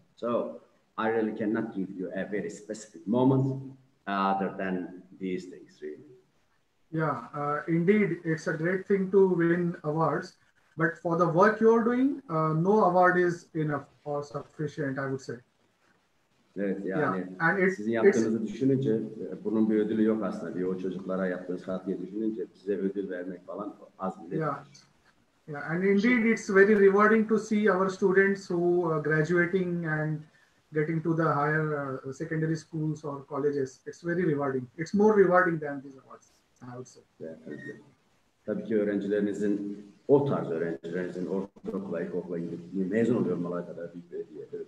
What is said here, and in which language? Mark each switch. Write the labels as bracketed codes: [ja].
[en] So I really cannot give you a very specific moment other than these things, really. Yeah, indeed, it's a great thing to win awards, but for the work you're doing, no award is enough or sufficient, I would say. [tr] Evet, yani yeah. Düşününce bunun bir ödülü yok aslında. Bir o çocuklara yaptığınız hatiye düşününce size ödül vermek falan az bile. [en] Yeah, and indeed it's very rewarding to see our students who are graduating and getting to the higher secondary schools or colleges. It's very rewarding. It's more rewarding than these awards, I would say. Yeah. [tr] Tabii ki öğrencilerinizin, o tarz öğrencilerinizin ortaokula, ilkokula mezun olmaları kadar büyük bir hediye.